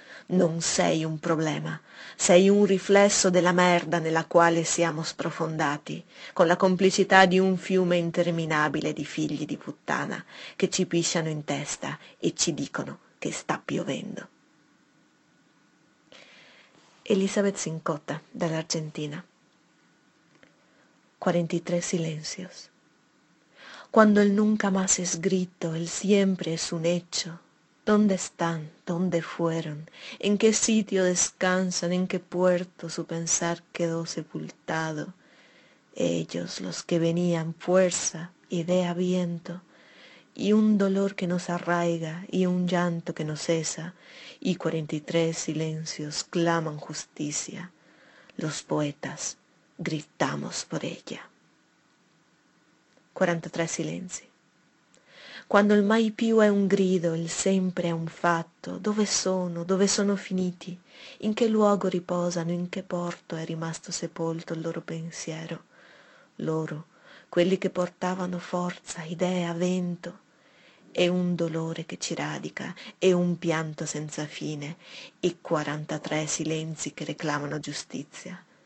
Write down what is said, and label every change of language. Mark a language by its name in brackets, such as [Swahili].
[Italian] Non sei un problema, sei un riflesso della merda nella quale siamo sprofondati, con la complicità di un fiume interminabile di figli di puttana che ci pisciano in testa e ci dicono che sta piovendo. Elizabeth Sincotta, dall'Argentina. [Spanish] 43 silencios. Cuando el nunca más es grito, el siempre es un hecho. ¿Dónde están? ¿Dónde fueron? ¿En qué sitio descansan? ¿En qué puerto su pensar quedó sepultado? Ellos, los que venían, fuerza, idea, viento, y un dolor que nos arraiga, y un llanto que nos cesa, y 43 silencios claman justicia. Los poetas gritamos por ella. [Italian] 43 silenzi. Quando il mai più è un grido, il sempre è un fatto, dove sono finiti, in che luogo riposano, in che porto è rimasto sepolto il loro pensiero, loro, quelli che portavano forza, idea, vento, e un dolore che ci radica, e un pianto senza fine, e 43 silenzi che reclamano giustizia.